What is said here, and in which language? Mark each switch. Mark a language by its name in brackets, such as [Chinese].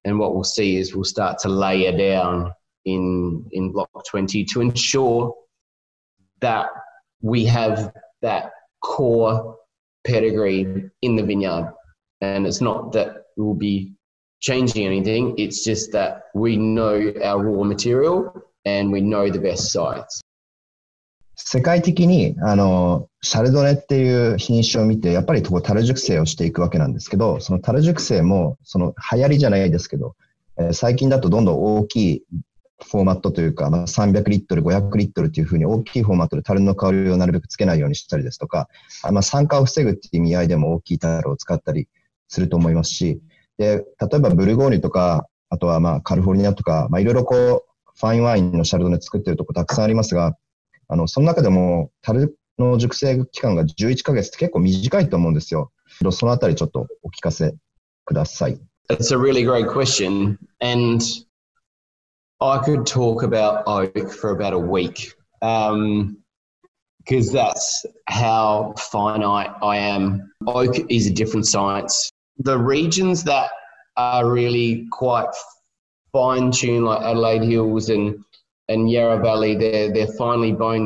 [English] And what we'll see is we'll start to layer down in Block 20 to ensure that we have that core pedigree in the vineyard, and it's not that we'll be changing anything, it's just that we know our raw material and we know the best sites. [Japanese] 世界的にあのシャルドネっていう品種を見てやっぱりこう樽熟成をしていくわけなんですけど、その樽熟成もその流行りじゃないですけど、最近だとどんどん大きいフォーマットというか、まあ、300リットル、500リットルというふうに大きいフォーマットで樽の香りをなるべくつけないようにしたりですとか、まあ、酸化を防ぐっていう意味合いでも大きい樽を使ったりすると思いますし、で、例えばブルゴーニュとか、あとはまあカリフォルニアとか、まあ、いろいろこう、ファインワインのシャルドネ作ってるとこたくさんありますが、あの、その中でも樽の熟成期間が11ヶ月って結構短いと思うんですよ。そのあたりちょっとお聞かせください。 [English] That's a really great question. And... I could talk about oak for about a week because that's how finite I am. Oak is a different science. The regions that are really quite fine-tuned, like Adelaide Hills and Yarra Valley, they're finely boned.